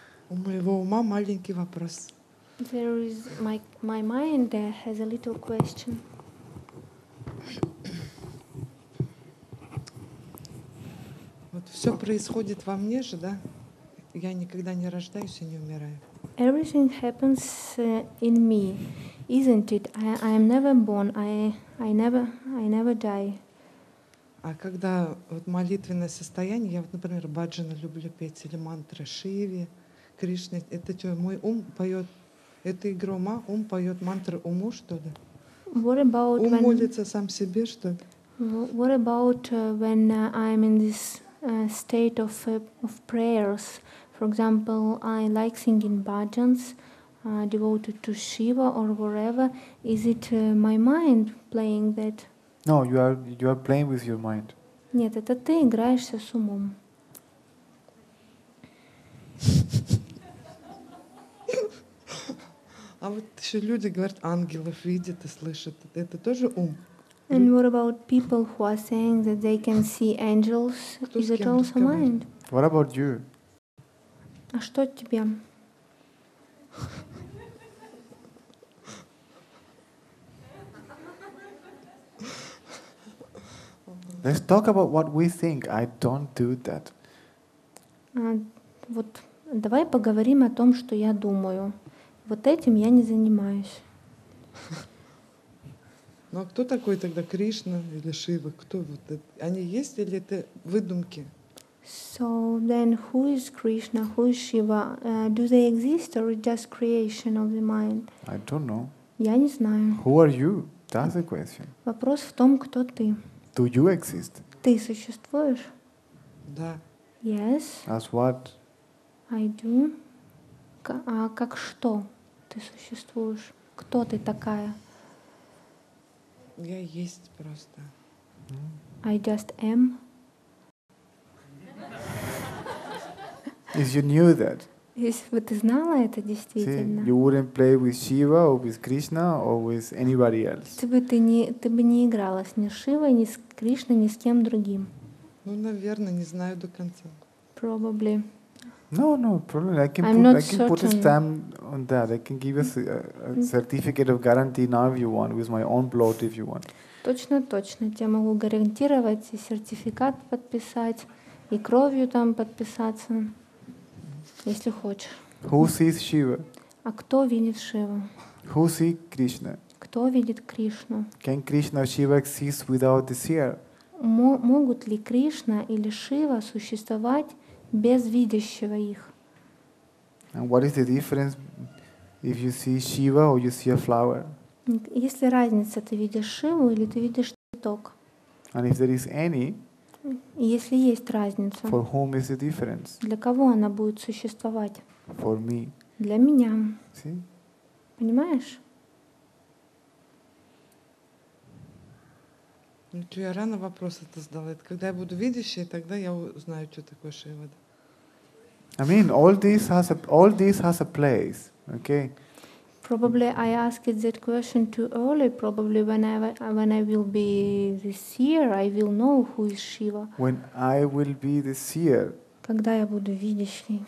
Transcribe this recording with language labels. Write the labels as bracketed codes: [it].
[ru] У моего ума маленький вопрос. [en] There is my mind has a little question. [ru] Вот все происходит во мне же, да? Я никогда не рождаюсь и не умираю. [en] Everything happens in me, isn't it? I am never born. I never die. [ru] А когда вот молитвенное состояние, я вот, например, баджаны люблю петь или мантры Шиве, Кришне, это что, мой ум поет, это игра ума, ум поет мантры уму, что ли? [en] What about [ru] ум молится сам себе, что ли? [en] What about when I'm in this state of prayers? For example, I like singing bhajans, devoted to Shiva or whatever. Is it my mind playing that? No, you are playing with your mind. [ru] Нет, это ты играешься с умом. А вот еще люди говорят, ангелов видят и слышат. Это тоже ум. [en] And what about people who are saying that they can see angels? Is it also mind? What about you? [ru] А что тебе? [en] Let's talk about what we think. I don't do that. [ru] Вот давай поговорим о том, что я думаю. Вот этим я не занимаюсь. Ну а кто такой тогда Кришна или Шива? Кто вот это? Они есть или это выдумки? [en] So then who is Krishna, who is Shiva? Do they exist or just creation of the mind? I don't know. [ru] Я не знаю. [en] Who are you? That's the question. [ru] Вопрос в том, кто ты. [en] Do you exist? [ru] Ты существуешь? Да. [en] Yes. As what? I do. [ru] А как что ты существуешь? Кто ты такая? Я есть просто. [en] I just am. If you knew that. [ru] Если бы ты знала это действительно. [en] See, you wouldn't play with Shiva or with Krishna or with anybody else. [ru] Ты бы не играла с ни Шивой, ни с Кришной, ни с кем другим. Ну, наверное, не знаю до конца. [en] Probably. No problem. I can put a stamp on that. I can give you a certificate of guarantee now if you want, with my own blood if you want. [ru] Точно. Я могу гарантировать и сертификат подписать, и кровью там подписаться, если хочешь. [en] Who sees Shiva? [ru] А кто видит Шиву? [en] Who sees Krishna? [ru] Кто видит Кришну? [en] Can Krishna or Shiva exist without the seer? [ru] Могут ли Кришна или Шива существовать без видящего их? [en] And what is the difference if you see Shiva or you see a flower? [ru] Есть ли разница, ты видишь Шиву или ты видишь цветок? [en] And if there is any, [ru] если есть разница, [en] for whom is the difference? [ru] Для кого она будет существовать? [en] For me. [ru] Для меня. [en] See? [ru] Понимаешь? Ну, я рано вопрос это задала. Это когда я буду видящей, тогда я узнаю, что такое Шива. [en] I mean, all this has a place, okay? Probably I asked that question too early. Probably when I will be the seer, I will know who is Shiva. When I will be the seer. [ru] Когда я буду видящей.